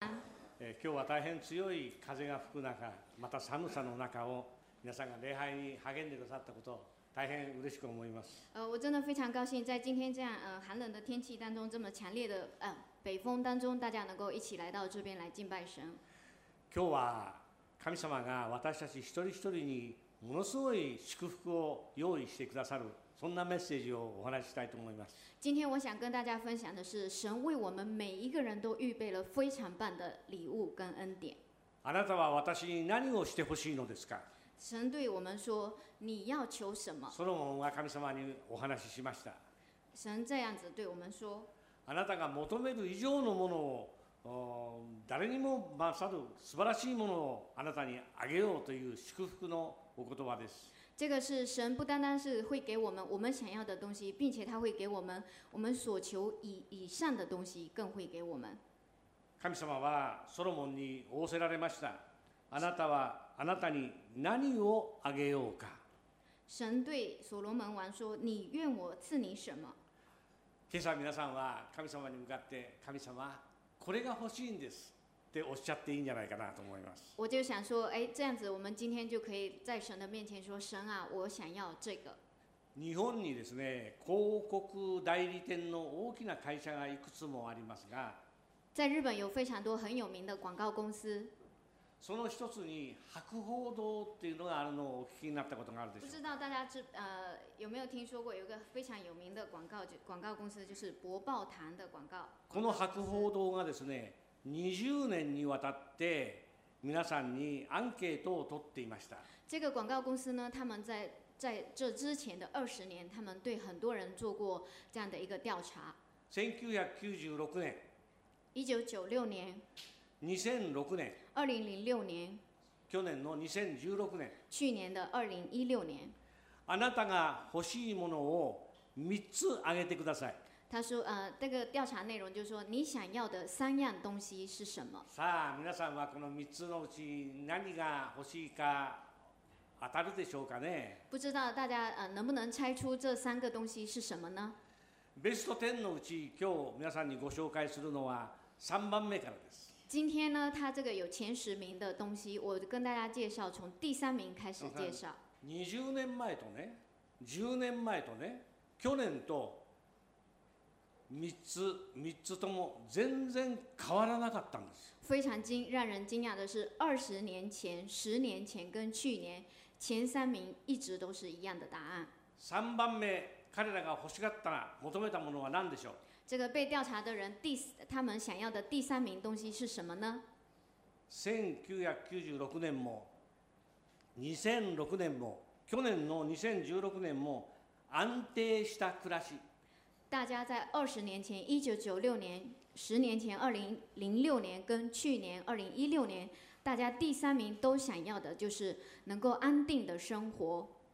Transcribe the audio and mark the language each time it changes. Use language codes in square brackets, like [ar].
[ja] 今日は大変強い風が吹く中、また寒さの中を皆さんが礼拝に励んでくださったことを大変嬉しく思います。 [zh] 我真的非常高兴在今天这样寒冷的天气当中，这么强烈的北风当中，大家能够一起来到这边来敬拜神。 [ja] 今日は神様が私たち一人一人にものすごい祝福を用意してくださる、そんなメッセージをお話ししたいと思います。 [zh] 今天我想跟大家分享的是，神为我们每一个人都预备了非常棒的礼物跟恩典。 [ja] あなたは私に何をしてほしいのですか？ [zh] 神对我们说，你要求什么？ [ja] ソロモンは神様にお話ししました。 [zh] 神这样子对我们说， [ja] あなたが求める以上のものを誰にも勝る素晴らしいものをあなたにあげようという祝福のお言葉です。 [zh] 这个是神不单单是会给我们我们想要的东西，并且他会给我们我们所求 以上的东西，更会给我们。 [ja] 神様はソロモンに仰せられました。あなたはあなたに何をあげようか。 [zh] 神对所罗门王说：“你愿我赐你什么？” [ja] 今朝皆さんは神様に向かって神様これが欲しいんですっておっしゃっていいんじゃないかなと思います。 [zh] 我就想说，哎，这样子我们今天就可以在神的面前说：“神啊，我想要这个。” [ja] 日本にですね、広告代理店の大きな会社がいくつもありますが、 [zh] 在日本有非常多很有名的广告公司。 [ja] その一つに博報堂っていうのがあるのをお聞きになったことがあるでしょうか。 [zh] 不知道大家有没有听说过有一个非常有名的广告公司就是博報堂的广告。 [ja] この博報堂がですね、20年にわたって皆さんにアンケートを取っていました。 [zh] 这个广告公司呢，他们在这之前的二十年，他们对很多人做过这样的一个调查。 [ja] 1996年。 [zh] 1996年。 [ja] 2006年。 [zh] 2006年。 [ja] 去年の2016年。 [zh] 去年的2016年。 [ja] あなたが欲しいものを3つ挙げてください。 [zh] 他说，这个调查内容就是说，你想要的三样东西是什么？ [ja] さあ、皆さんはこの3つのうち何が欲しいか当たるでしょうかね？ [zh] 不知道大家能不能猜出这三个东西是什么呢？ [ja] ベスト10のうち今日皆さんにご紹介するのは3番目からです。 [zh] 今天呢，他这个有前十名的东西，我跟大家介绍，从第三名开始介绍。 [ja] 20年前とね、10年前とね、去年と3つとも全然変わらなかったんです。 [zh] 非常让人惊讶的是，20年前、10年前跟去年前三名一直都是一样的答案。 [ja] 三番目、彼らが欲しかった、求めたものは何でしょう？ [zh] 这个被调查的人他们想要的第三名东西是什么呢？ [ja] 1996年も2006年も去年の2016年も安定した暮らし。 [zh] 大家在二十年前1996年、十年前2006年跟去年2016年、大家第三名都想要的就是能够安定的生活。